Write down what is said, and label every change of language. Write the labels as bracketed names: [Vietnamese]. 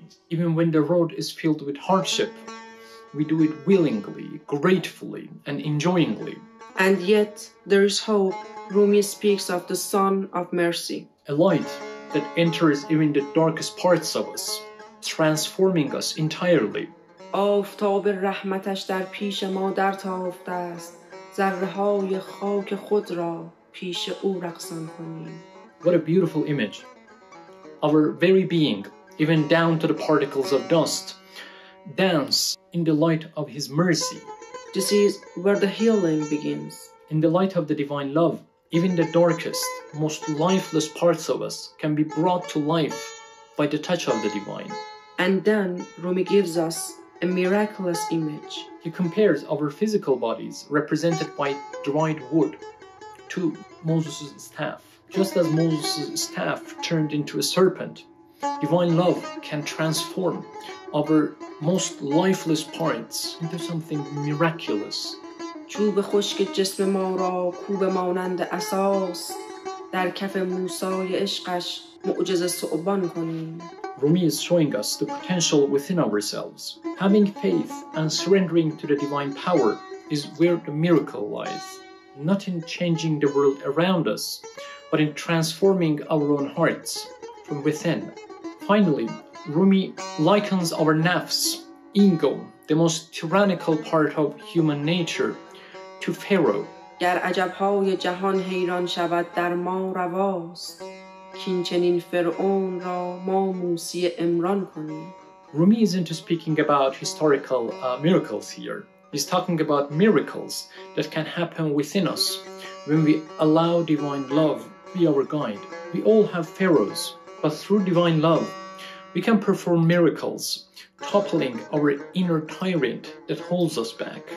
[English] Even when the road is filled with hardship, we do it willingly, gratefully, and enjoyingly. And yet, there is hope. Rumi speaks of the Sun of Mercy, a light that enters even the darkest parts of us, transforming us entirely. [Persian] آفتاب رحمتش در پیش ما در تافته است ذره‌های خاک خود را پیش او رقصان کنیم. [English] What a beautiful image. Our very being, even down to the particles of dust, dance in the light of his mercy. This is where the healing begins. In the light of the divine love, even the darkest, most lifeless parts of us can be brought to life by the touch of the divine. And then Rumi gives us a miraculous image. He compares our physical bodies, represented by dried wood, to Moses' staff. Just as Moses' staff turned into a serpent, divine love can transform our most lifeless parts into something miraculous. [Persian] چوب خشک جسم ما را کوب مانند اساس در کف موسای عشقش معجزه صعبان کنیم. [English] Rumi is showing us the potential within ourselves. Having faith and surrendering to the divine power is where the miracle lies. Not in changing the world around us, but in transforming our own hearts from within. Finally, Rumi likens our nafs, ego, the most tyrannical part of human nature, to Pharaoh. [Persian] گر عجب‌های جهان حیران شود در ما رواست کین چنین فرعون را ما موسی عمران کنیم. [English] Rumi isn't speaking about historical miracles here. He's talking about miracles that can happen within us when we allow divine love be our guide. We all have pharaohs, but through divine love, we can perform miracles, toppling our inner tyrant that holds us back.